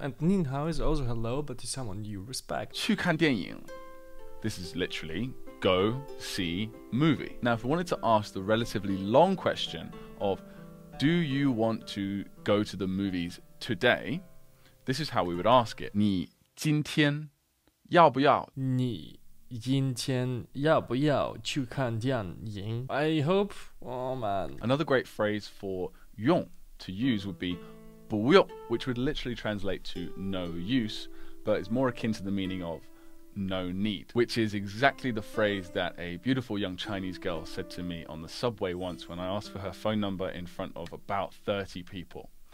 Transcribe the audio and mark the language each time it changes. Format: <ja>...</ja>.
<en>And 您好 is also hello, but to someone you respect.</en> <zh>去看电影.</zh> <en>This is literally go see movie. Now, if we wanted to ask the relatively long question of do you want to go to the movies today? This is how we would ask it.</en> <zh>你今天要不要? 你今天要不要去看电影?</zh> <en>I hope, oh man. Another great phrase for 用 to use would be 不用, which would literally translate to no use, but it's more akin to the meaning of no need, which is exactly the phrase that a beautiful young Chinese girl said to me on the subway once when I asked for her phone number in front of about 30 people.</en>